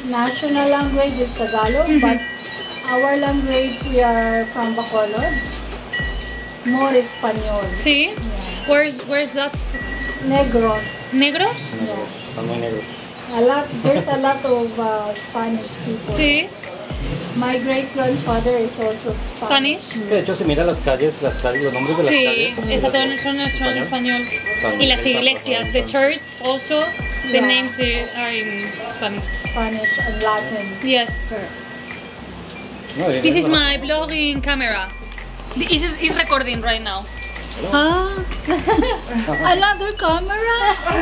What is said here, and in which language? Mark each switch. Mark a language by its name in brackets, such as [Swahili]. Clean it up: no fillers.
[English] National language is Tagalo, but our language, we are from Bacolod. More español. Sí. Yeah. Where's that? Negros. Negros? [Spanish] No. Muy negros. [English] There's a lot of Spanish people. [Spanish] Sí. [English] My great grandfather is also Spanish. [Spanish] Es que de hecho se mira las calles, los nombres de las calles. Sí, todo son en español. Y las iglesias, [English] the church also, the names are in Spanish. Spanish and Latin. Yes. This is my blogging camera. Is recording right now. Ah. Another camera.